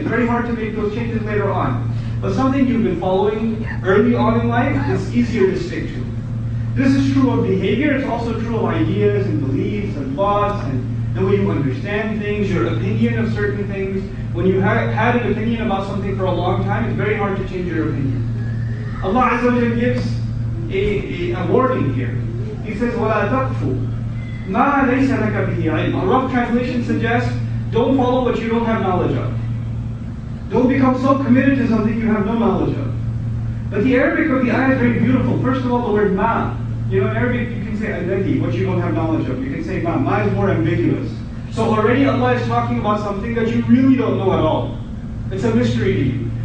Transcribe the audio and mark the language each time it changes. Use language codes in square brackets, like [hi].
[en] It's very hard to make those changes later on. But something you've been following early on in life is easier to stick to. This is true of behavior, it's also true of ideas and beliefs and thoughts and the way you want to things, your opinion of certain things. When you had an opinion about something for a long time, it's very hard to change your opinion. Allah Azza wa Jalla gives a warning here. He says, [ar] وَلَا تَقْفُ مَا لَيْسَ لَكَ بِهِ عِلْمٍ. [en] A rough translation suggests, don't follow what you don't have knowledge of. Don't become so committed to something you have no knowledge of. But the Arabic of the ayah is very beautiful. First of all, the word ma. You know, in Arabic you can say alladhi, what you don't have knowledge of. You can say ma. Ma is more ambiguous. So already Allah is talking about something that you really don't know at all. It's a mystery to you.